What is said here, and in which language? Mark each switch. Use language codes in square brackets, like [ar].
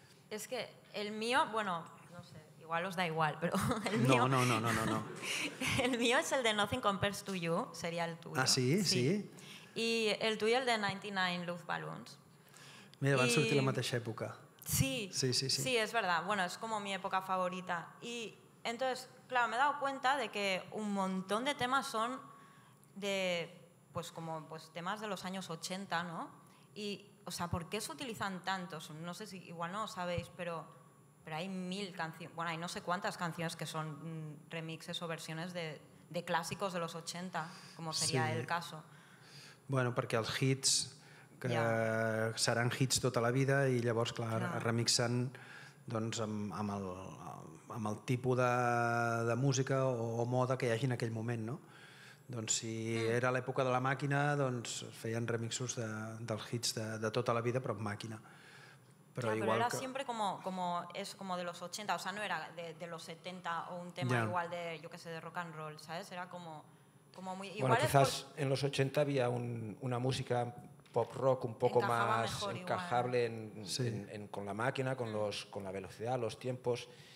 [es] És que el mío, bueno, no sé, igual os da igual, però el mío... No. El mío es el de Nothing Compares to You, seria el tuyo. Ah, sí? Sí. I el tuyo, el de 99 Love Balloons. [ca] Mira, van sortir a la mateixa època. Sí, sí, sí, sí. [es] Sí, es verdad. Bueno, es como mi época favorita. Y entonces, claro, me he dado cuenta de que un montón de temas son de, pues como, pues temas de los años 80, ¿no? Y, o sea, ¿por qué se utilizan tantos? No sé si, igual no lo sabéis, pero hay mil canciones, bueno, hay no sé cuántas canciones que son remixes o versiones de clásicos de los 80, como sería el caso. [ca] Bueno, perquè els hits, que seran hits tota la vida i llavors, clar, remixen doncs, amb el tipus de música o moda que hi hagi en aquell moment, no? Doncs si era l'època de la màquina, doncs feien remixos dels hits de tota la vida, però amb màquina. Però, ja, igual però era que... [es] sempre com de los 80, o sea, no era de los 70 o un tema igual de, [ca] jo que sé, [es] de rock and roll, ¿sabes? Era como... Como muy, bueno, quizás en los 80 había una música pop rock un poco más encajable con la máquina, con la velocidad, los tiempos.